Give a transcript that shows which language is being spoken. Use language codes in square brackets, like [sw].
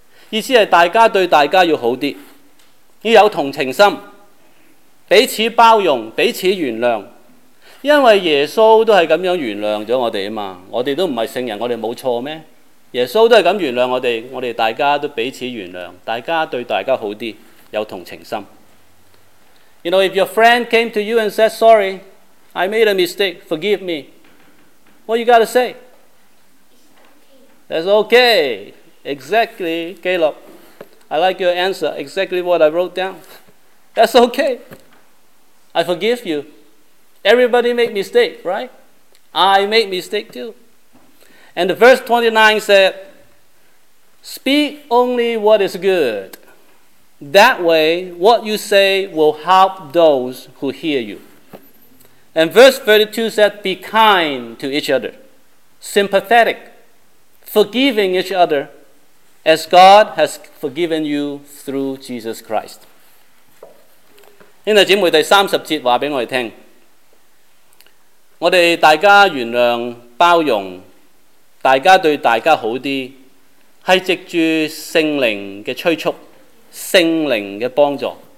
[yue] 意思是大家对大家要好些，要有同情心，彼此包容，彼此原谅。因为耶稣都是这样原谅了我们嘛，我们都不是圣人，我们没错吗？耶稣都是这样原谅我们，我们大家都彼此原谅，大家对大家好些，有同情心。 [en] You know, if your friend came to you and said, sorry, I made a mistake, forgive me, what you gotta say? That's okay. Exactly, Caleb. I like your answer. Exactly what I wrote down. That's okay. I forgive you. Everybody make mistake, right? I make mistake too. And the verse 29 said, speak only what is good. That way, what you say will help those who hear you. And verse 32 said, be kind to each other, sympathetic, forgiving each other, as God has forgiven you through Jesus Christ. [yue] 因为姐妹第三十节话俾我哋听，我们大家原谅包容，大家对大家好些，是藉着圣灵的催促，圣灵的帮助。